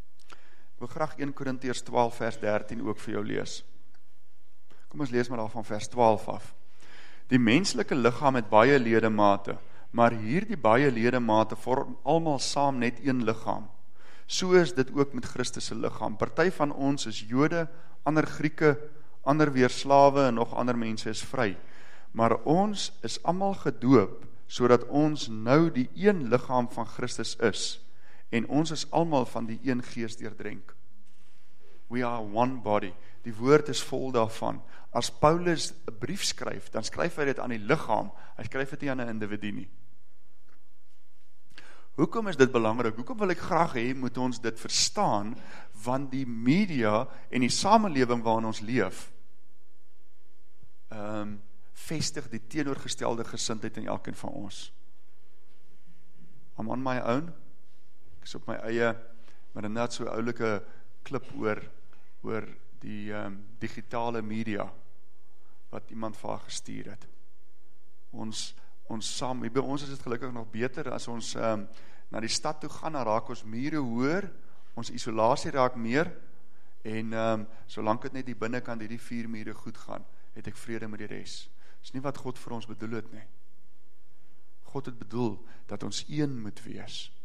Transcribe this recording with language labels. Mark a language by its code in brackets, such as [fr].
[af] Ek wil graag 1 Korintiërs 12 vers 13 ook vir jou lees. Kom ons lees maar daarvan vers 12 af. Die menslike liggaam het baie ledemate, maar hierdie baie ledemate vorm almal saam net een liggaam. So is dit ook met Christus se liggaam. Party van ons is Jode, ander Grieke, ander weer slawe en nog ander mense is vry. Maar ons is almal gedoop sodat ons nou die een liggaam van Christus is. En ons is almal van die een gees deurdrenk. [en] We are one body. [af] Die woord is vol daarvan. As Paulus 'n brief skryf, dan skryf hy dit aan die liggaam. Hy skryf dit nie aan 'n individu nie. Hoekom is dit belangrik? Hoekom wil ek graag hê moet ons dit verstaan? Want die media en die samelewing waarin ons leef, vestig die teenoorgestelde gesindheid in elkeen van ons. [en] I'm on my own. [af] Ek is op my eie, maar inderdaad so oulike klip oor die digitale media wat iemand vir haar gestuur het. Ons saam, by ons is dit gelukkig nog beter as ons na die stad toe gaan, dan raak ons mure hoër, ons isolasie raak meer, en solank het net die binnenkant die vier mure goed gaan, het ek vrede met die res. Dis nie wat God vir ons bedoel het nie. God het bedoel dat ons een moet wees.